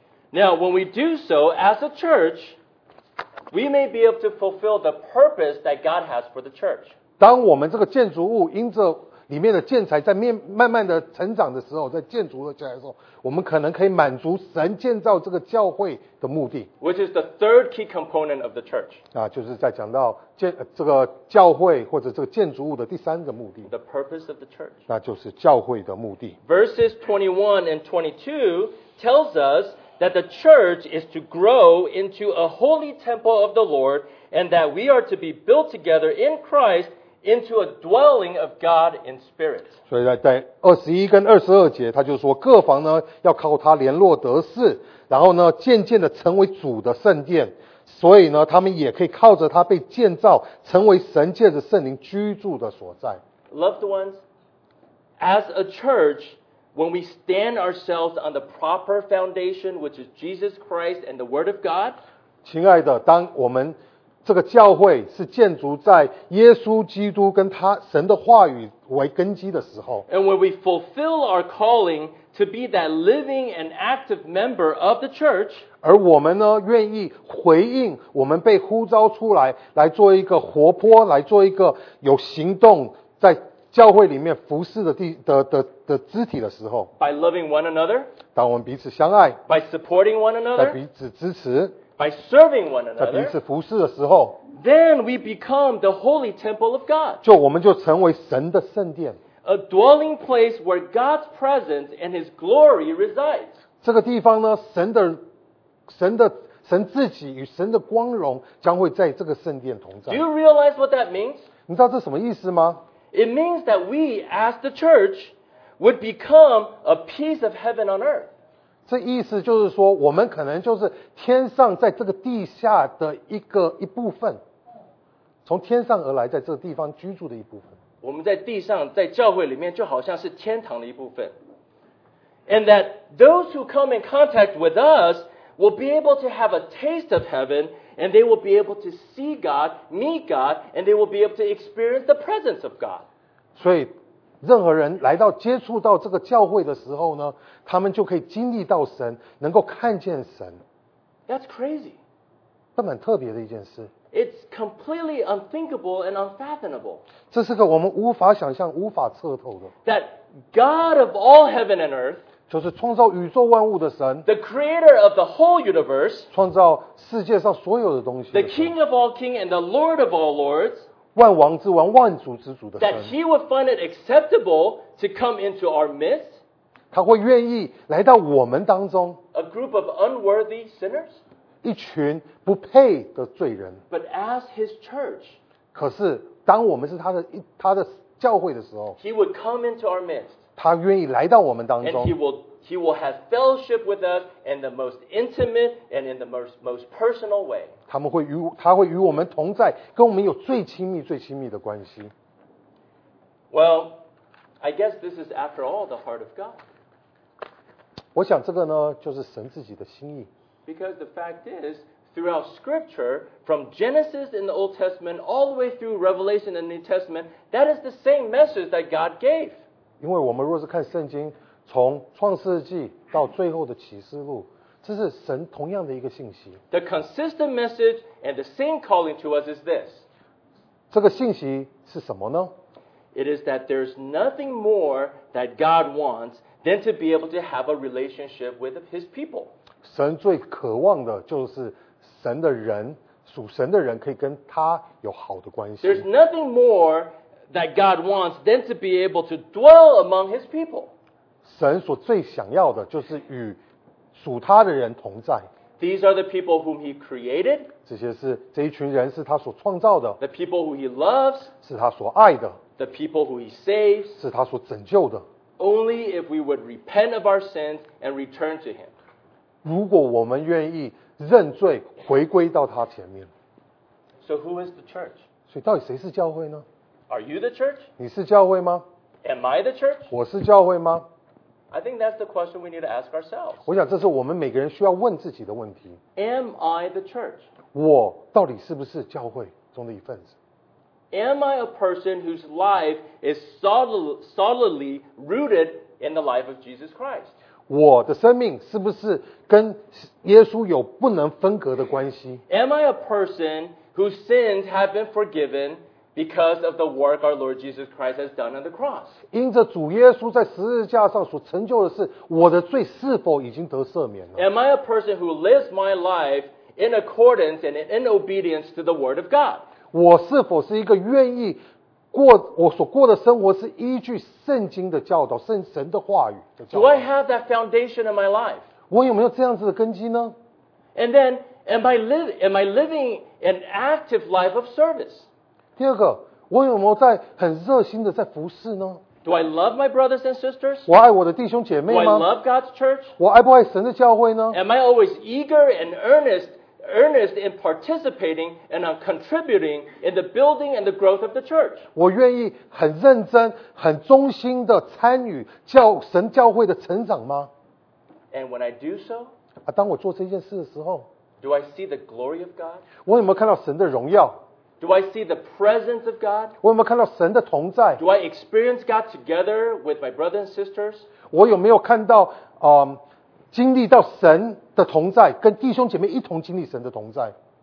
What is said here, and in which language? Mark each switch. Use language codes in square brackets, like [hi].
[en] Now, when we do so as a church, we may be able to fulfill the purpose that God has for the church. [zh] 当我们这个建筑物因着里面的建材在慢慢的成长的时候，在建筑了起来的时候，我们可能可以满足神建造这个教会的目的。 [en] Which is the third key component of the church. [zh] 啊，就是在讲到这个教会或者这个建筑物的第三个目的。 [en] The purpose of the church. [zh] 那就是教会的目的。 [en] Verses 21 and 22 tells us that the church is to grow into a holy temple of the Lord, and that we are to be built together in Christ. Into a dwelling of God in spirit. [zh] 所以在21跟22节，他就说各房呢要靠他联络得势，然后呢渐渐的成为主的圣殿，所以呢他们也可以靠着他被建造，成为神借着圣灵居住的所在。 [en] Loved ones, as a church, when we stand ourselves on the proper foundation, which is Jesus Christ and the Word of God. [zh] 亲爱的，当我们这个教会是建筑在耶稣基督跟他神的话语为根基的时候。 [en] And when we fulfill our calling to be that living and active member of the church, [zh] 而我们呢愿意回应我们被呼召出来，来做一个活泼，来做一个有行动在教会里面服事的肢体的时候。 [en] By loving one another, [zh] 当我们彼此相爱。 [en] By supporting one another, [zh] 在彼此支持。 [en] By serving one another, [zh] 在彼此服事的时候 [en] then we become the holy temple of God. [zh] 就我们就成为神的圣殿 [en] a dwelling place where God's presence and His glory resides. [zh] 这个地方呢，神自己与神的光荣将会在这个圣殿同在。 [en] Do you realize what that means? [zh] 你知道这什么意思吗？ [en] It means that we, as the church, would become a piece of heaven on earth. [zh] 这意思就是说，我们可能就是天上在这个地下的一部分，从天上而来，在这个地方居住的一部分。我们在地上，在教会里面，就好像是天堂的一部分。 [en] And that those who come in contact with us will be able to have a taste of heaven, and they will be able to see God, meet God, and they will be able to experience the presence of God. [zh] 所以任何人来到接触到这个教会的时候呢，他们就可以经历到神，能够看见神。 [en] That's crazy. [zh] 这蛮特别的一件事。 [en] It's completely unthinkable and unfathomable. [zh] 这是个我们无法想象、无法测透的。 [en] That God of all heaven and earth, [zh] 就是创造宇宙万物的神 [en] ，the creator of the whole universe, [zh] 创造世界上所有的东西的 [en] ，the king of all kings and the lord of all lords. [zh] 万王之王，万主之主的神。 [en] That he would find it acceptable to come into our midst. [zh] 他会愿意来到我们当中。 [en] A group of unworthy sinners. [zh] 一群不配的罪人。 [en] But as his church. [zh] 可是当我们是他的教会的时候。 [en] He would come into our midst. [zh] 他愿意来到我们当中。 [en] And he will have fellowship with us in the most intimate and in the most personal way. [zh] 他会与我们同在，跟我们有最亲密、最亲密的关系。 [en] Well, I guess this is after all the heart of God. [zh] 我想这个呢，就是神自己的心意。 [en] Because the fact is, throughout Scripture, from Genesis in the Old Testament all the way through Revelation in the New Testament, that is the same message that God gave. [zh] 因为我们若是看圣经。从创世纪到最后的启示录，这是神同样的一个信息。 [en] The consistent message and the same calling to us is this. [zh] 这个信息是什么呢？ [en] It is that there's nothing more that God wants than to be able to have a relationship with His people. [zh] 神最渴望的就是神的人，属神的人可以跟他有好的关系。 [en] There's nothing more that God wants than to be able to dwell among His people. [zh] 神所最想要的就是与属他的人同在。 [en] These are the people whom he created. [zh] 这一群人是他所创造的。 [en] The people who he loves. [zh] 是他所爱的。 [en] The people who he saves. [zh] 是他所拯救的。 [en] Only if we would repent of our sins and return to him. [zh] 如果我们愿意认罪回归到他前面。 [en] So who is the church? [zh] 所以到底谁是教会呢？ [en] Are you the church? [zh] 你是教会吗？ [en] Am I the church? [zh] 我是教会吗？ [en] I think that's the question we need to ask ourselves. [zh] 我想这是我们每个人需要问自己的问题。 [en] Am I the church? [zh] 我到底是不是教会中的一份子？ [en] Am I a person whose life is solidly rooted in the life of Jesus Christ? [zh] 我的生命是不是跟耶稣有不能分隔的关系？ [en] Am I a person whose sins have been forgiven because of the work our Lord Jesus Christ has done on the cross? [zh] 因着主耶稣在十字架上所成就的事，我的罪是否已经得赦免了？ [en] Am I a person who lives my life in accordance and in obedience to the word of God? [zh] 我是否是一个愿意过我所过的生活是依据圣经的教导，圣神的话语的教导？ [en] Do I have that foundation in my life? [zh] 我有没有这样子的根基呢？ [en] And then, am I living an active life of service? [zh] 第二个，我有没有在很热心的在服侍呢？ [en] Do I love my brothers and sisters? [zh] 我爱我的弟兄姐妹吗？ [en] Do I love God's church? [zh] 我爱不爱神的教会呢？ [en] Am I always eager and earnest in participating and contributing in the building and the growth of the church? [zh] 我愿意很认真、很忠心的参与教神教会的成长吗？ [en] And when I do so, [zh] 当我做这件事的时候， [en] Do I see the glory of God? [zh] 我有没有看到神的荣耀？ [en] Do I see the presence of God? [zh] 我有没有看到神的同在？ [en] Do I experience God together with my brothers and sisters? [zh] 我有没有看到经历到神的同在，跟弟兄姐妹一同经历神的同在？